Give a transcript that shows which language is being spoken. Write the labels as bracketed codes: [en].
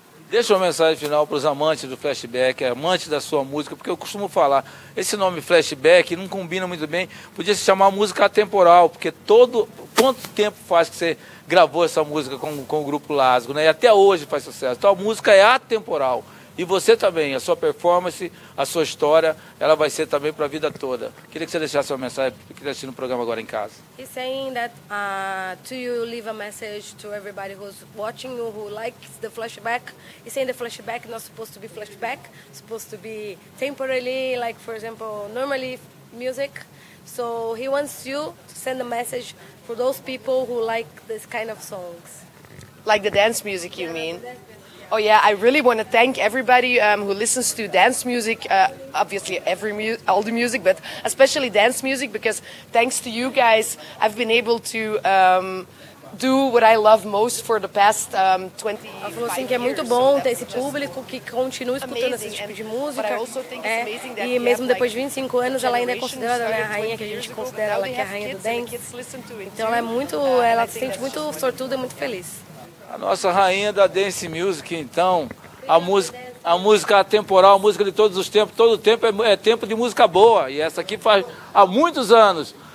[pt] Deixa uma mensagem final para os amantes do flashback, amantes da sua música, porque eu costumo falar, esse nome flashback não combina muito bem, podia se chamar música atemporal, porque quanto tempo faz que você gravou essa música com o grupo Lasgo, né? E até hoje faz sucesso, então a música é atemporal, e você também, a sua performance, a sua história, ela vai ser também para a vida toda. Queria que você deixasse uma mensagem, porque está assistindo o programa agora em casa. [en] He's saying that to you, leave a message to everybody who's watching you, who likes the flashback. He's saying the flashback is not supposed to be flashback, supposed to be temporarily, like for example, normally music. So he wants you to send a message for those people who like this kind of songs. Like the dance music, you mean? Oh yeah, I really want to thank everybody who listens to dance music, obviously all the music, but especially dance music, because thanks to you guys, I've been able to do what I love most for the past 25 years. [pt] Ela falou assim que é muito bom ter esse público que continua escutando esse tipo de música, e mesmo depois de 25 anos ela ainda é considerada a rainha, que a gente considera ela que é a rainha do dance. Então ela se sente muito sortuda e muito feliz. A nossa rainha da dance music, então, a música atemporal, a música de todos os tempos, todo tempo é tempo de música boa, e essa aqui faz há muitos anos.